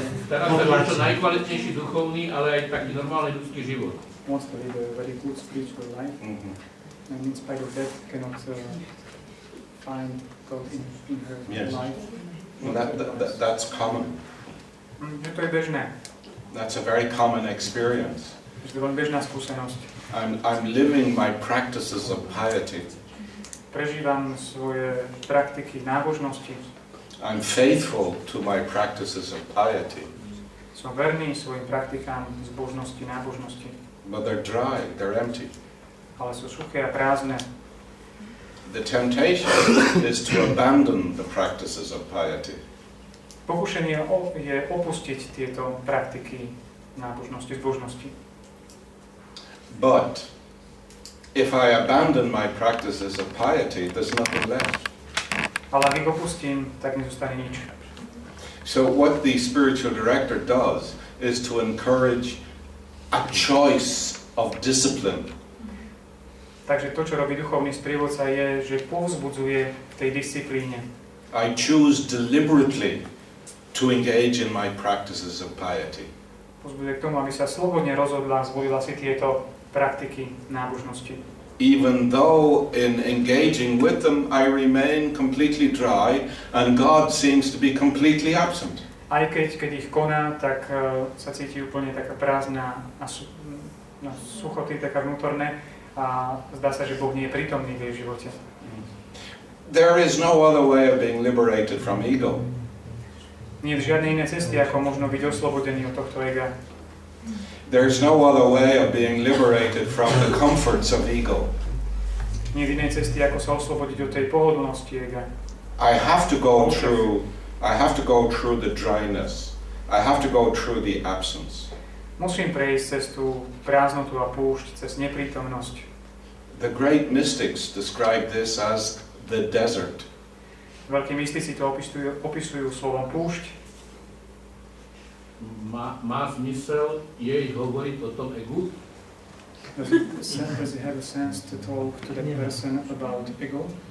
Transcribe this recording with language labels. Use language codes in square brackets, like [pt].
[sk] Teraz to je to najkvalitnejší duchovný, ale aj taký normálny ľudský život. [en] Wants to live a very good spiritual life. Mm-hmm. And in spite of that, cannot find God in her yes. life. That's common. [sk] Je to je bežné. [en] That's a very common experience. [sk] Je to veľmi bežná skúsenosť. [en] I'm living my practices of piety. [sk] Prežívam svoje praktiky nábožnosti. [en] I'm faithful to my practices of piety. [sk] Som verný svojim praktikám zbožnosti, nábožnosti. [en] But they're dry, they're empty. [sk] Ale sú suché a prázdne. [en] The temptation is to abandon the practices of piety. [sk] Pokušenie je opustiť tieto praktiky nábožnosti, zbožnosti. [en] But if I abandon my practices of piety, there's nothing left. [sk] Ale ak opustím, tak mi zostane nič. [en] So what the spiritual director does is to encourage a choice of discipline. [sk] Takže to, čo robí duchovný sprievodca, je, že povzbudzuje v tej disciplíne. [en] I choose deliberately to engage in my practices of piety. [sk] Pozbude k tomu, aby sa slobodne rozhodla, zvolila si tieto praktiky nábožnosti. [en] Even though in engaging with them I remain completely dry and God seems to be completely absent. [sk] Aj keď ich koná, tak sa cíti úplne taká prázdna a suchoty taká vnútorné a zdá sa, že Boh nie je prítomný v jej živote. [en] There is no other way of being liberated from ego. [sk] Nie je žiadnej inej cesty, ako možno byť oslobodený od tohto ega. [en] There is no other way of being liberated from the comforts of ego. [sk] Nie je inej cesty, ako sa oslobodiť od tej pohodlnosti ega. [en] I have to go through the dryness. I have to go through the absence. [sk] Musím prejsť cez tú prázdnotu a púšť, cez neprítomnosť. [en] The great mystics describe this as the desert. [sk] Veľkí mystici to opisujú slovom púšť. Má zmysel jej hovoriť o tom egu? [en] Does it have a sense to talk to that person about ego?